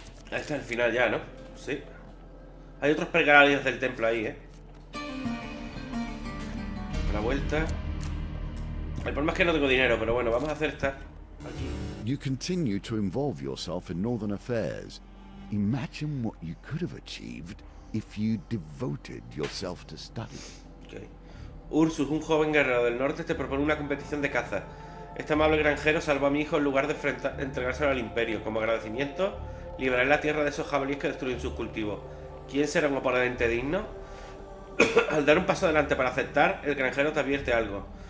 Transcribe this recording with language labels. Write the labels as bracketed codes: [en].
[es] Este es el final ya, ¿no? Sí. Hay otros pergaminos del templo ahí, ¿eh? La vuelta. El problema es que no tengo dinero, pero bueno, vamos a hacer esta. [en] You continue to involve yourself in northern affairs. Imagine what you could have achieved if you devoted yourself to study. Okay. [es] Ursus, un joven guerrero del norte, te propone una competición de caza. Este amable granjero salvó a mi hijo en lugar de entregárselo al imperio. Como agradecimiento, liberaré la tierra de esos jabalíes que destruyen sus cultivos. ¿Quién será un oponente digno? Al dar un paso adelante para aceptar, el granjero te advierte algo.